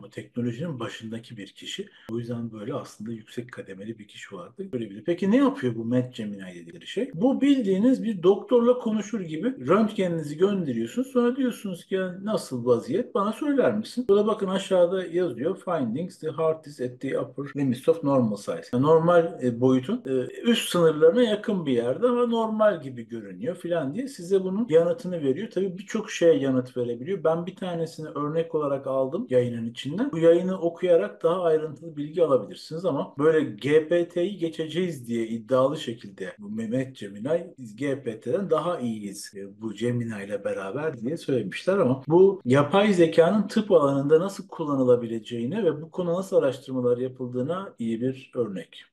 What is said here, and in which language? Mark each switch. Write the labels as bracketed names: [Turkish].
[Turkish] ama teknolojinin başındaki bir kişi. O yüzden böyle aslında yüksek kademeli bir kişi vardı. Görebilir. Peki ne yapıyor bu Matt Gemini dedikleri şey? Bu bildiğiniz bir doktorla konuşur gibi röntgeninizi gönderiyorsunuz. Sonra diyorsunuz ki nasıl vaziyet? Bana söyler misin? Burada bakın aşağıda yazıyor. [English] Findings, the heart is at the upper limits of normal size. [Turkish] Yani normal boyutun üst sınırlarına yakın bir yerde ama normal gibi görünüyor falan diye size bunun yanıtını veriyor. Tabii birçok şeye yanıt verebiliyor. Ben bir tanesini örnek olarak aldım yayının içinden. Bu yayını okuyarak daha ayrıntılı bilgi alabilirsiniz ama böyle GPT'yi geçeceğiz diye iddialı şekilde bu Mehmet Cemilay biz GPT'den daha iyiyiz bu Gemini ile beraber diye söylemişler ama bu yapay zekanın tıp alanında nasıl kullanılabileceğine ve bu konu nasıl araştırmalar yapıldığına iyi bir örnek.